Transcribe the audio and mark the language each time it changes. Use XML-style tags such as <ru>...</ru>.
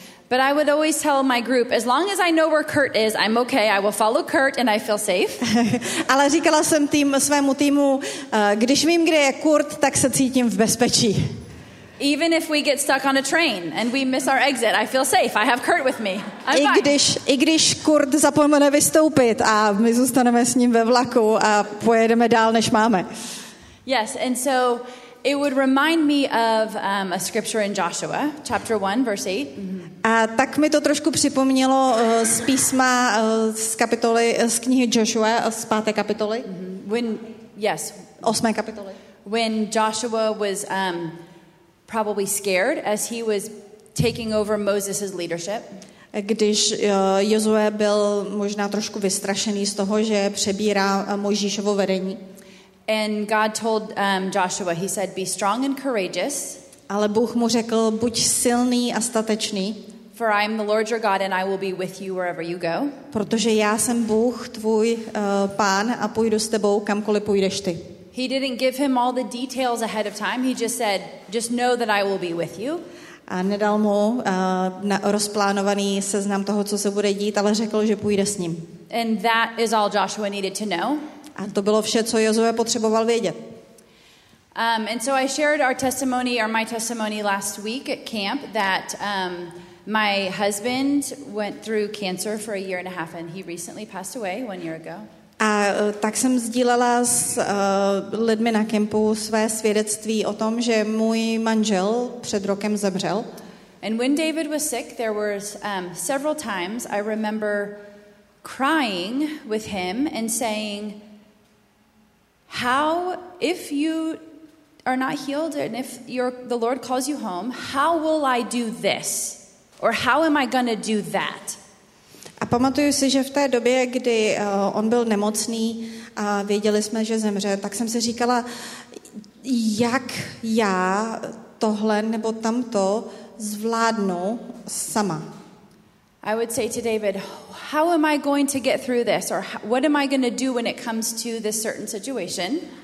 <en>But I would always tell my group, as long as I know where Kurt is, I'm okay. I will follow Kurt and I feel safe.</en> <cs>Ale říkala jsem svému týmu, když vím, kde je Kurt, tak se cítím v bezpečí.</cs> <en>Even if we get stuck on a train and we miss our exit, I feel safe. I have Kurt with me. I'm fine.</en> <cs>I když Kurt zapomene vystoupit a my zůstaneme s ním ve vlaku a pojedeme dál, než máme.</cs> <en>Yes, and so it would remind me of a scripture in Joshua, chapter 1, verse 8.</en> <cs>A tak mi to trošku připomnělo z písma z knihy Joshua, z páté kapitoly.</cs> <en>Mm-hmm. When, yes.</en> <cs>Osmé kapitoly.</cs> <en>When Joshua was probably scared as he was taking over Moses's leadership.</en> <cs>Když Josué byl možná trošku vystrašený z toho, že přebírá Mojžíšovo vedení.</cs> <en>And God told Joshua, he said, be strong and courageous.</en> <cs>Ale Bůh mu řekl, buď silný a statečný.</cs> <en>For I am the Lord your God and I will be with you wherever you go.</en> <cs>Protože já jsem Bůh tvůj pán a půjdu s tebou kamkoliv půjdeš ty.</cs> <en>He didn't give him all the details ahead of time. He just said, just know that I will be with you.</en> <cs>A nedal mu rozplánovaný seznam toho, co se bude dít, ale řekl, že půjde s ním.</cs> <en>And that is all Joshua needed to know.</en> <cs>A to bylo vše, co Josué potřeboval vědět.</cs> <en>And so I shared our testimony, or my testimony last week at camp, that my husband went through cancer for a year and a half, and he recently passed away 1 year ago.</en> <cs>A tak jsem sdílela s lidmi na kempu své svědectví o tom, že můj manžel před rokem zemřel.</cs> <en>And when David was sick, there were several times I remember crying with him and saying, how, if you are not healed and if the Lord calls you home, how will I do this? Or how am I going to do that?</en> <cs>A pamatuju si, že v té době, kdy on byl nemocný a věděli jsme, že zemře, tak jsem si říkala, jak já tohle nebo tamto zvládnu sama.</cs> <en>I would say to David, how am I going to get through this, or what am I going to do when it comes to this certain situation?</en>